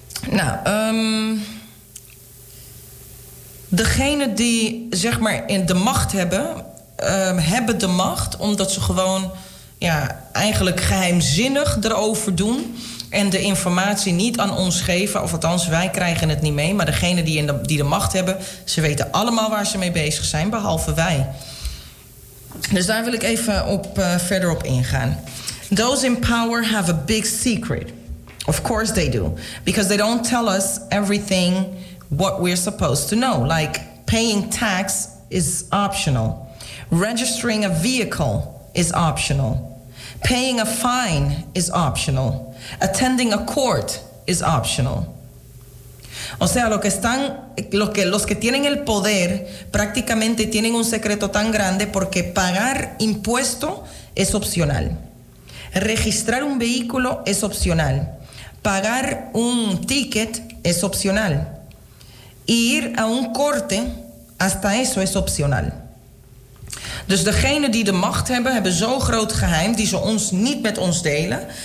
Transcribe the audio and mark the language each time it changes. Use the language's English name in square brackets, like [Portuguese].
[Dutch] Nou, degene die zeg maar in de macht hebben, hebben de macht omdat ze gewoon ja, eigenlijk geheimzinnig erover doen en de informatie niet aan ons geven, of althans, wij krijgen het niet mee, maar degene die de macht hebben, ze weten allemaal waar ze mee bezig zijn, behalve wij. Dus daar wil ik even op verder op ingaan. [English] Those in power have a big secret. Of course they do. Because they don't tell us everything what we're supposed to know. Like, paying tax is optional. Registering a vehicle is optional. Paying a fine is optional. Attending a court is optional. [Spanish] O sea, lo que están, los que tienen el poder prácticamente tienen un secreto tan grande porque pagar impuesto es opcional. Registrar un vehículo es opcional. Pagar un ticket es opcional. Ir a un corte, hasta eso es opcional. [Dutch] Dus degenen die de macht hebben, hebben zo'n groot geheim die ze ons niet met ons delen.